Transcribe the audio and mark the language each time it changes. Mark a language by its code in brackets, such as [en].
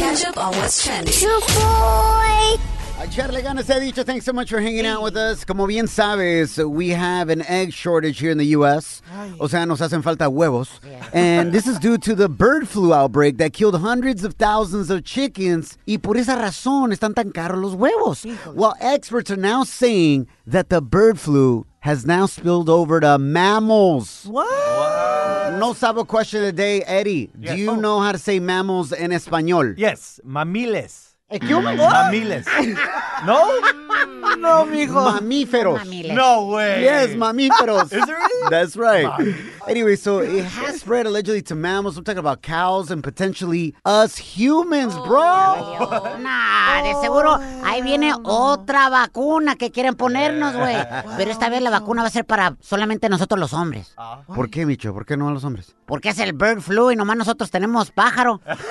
[en] Catch up on what's trending. You boy. [es] Echarle ganas, he dicho. [en] Thanks so much for hanging out with us. [es] Como bien sabes, [en] we have an egg shortage here in the U.S. [es] O sea, nos hacen falta huevos. [en] Yeah. And this is due to the bird flu outbreak that killed hundreds of thousands of chickens. [es] Y por esa razón están tan caros los huevos. [en] Well, experts are now saying that the bird flu has now spilled over to mammals. What? No sabo question of the day. Eddie, yes. Do you know how to say mammals in español? Yes, mamiles. Human? Mamiles. No? [es] No, mijo. Mamíferos. [en] Mamiles. No way. Yes, mamíferos. Is there really? That's right. Anyway, so it has spread allegedly to mammals. I'm talking about cows and potentially us humans, bro. [es] Nah, de seguro. Ahí viene otra vacuna que quieren ponernos, güey. Pero esta vez la vacuna va a ser para solamente nosotros los hombres. ¿Por qué, Micho? ¿Por qué no a los hombres? Porque es el [en] bird flu [es] y nomás nosotros tenemos pájaro.